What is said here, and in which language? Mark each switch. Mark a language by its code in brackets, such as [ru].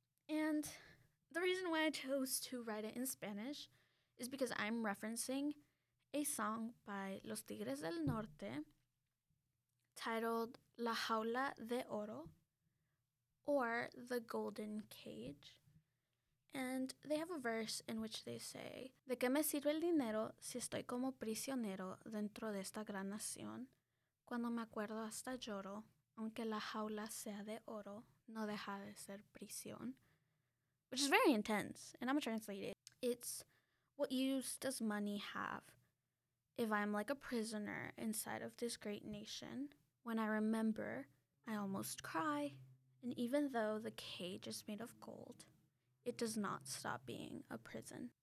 [en] And the reason why I chose to write it in Spanish is because I'm referencing a song by Los Tigres del Norte titled La Jaula de Oro, or The Golden Cage. And they have a verse in which they say, [es] ¿De qué me sirve el dinero si estoy como prisionero dentro de esta gran nación? Cuando me acuerdo hasta lloro, aunque la jaula sea de oro, no deja de ser prisión. [en] Which is very intense, and I'm gonna translate it. It's, what use does money have if I'm like a prisoner inside of this great nation? When I remember, I almost cry. And even though the cage is made of gold, it does not stop being a prison.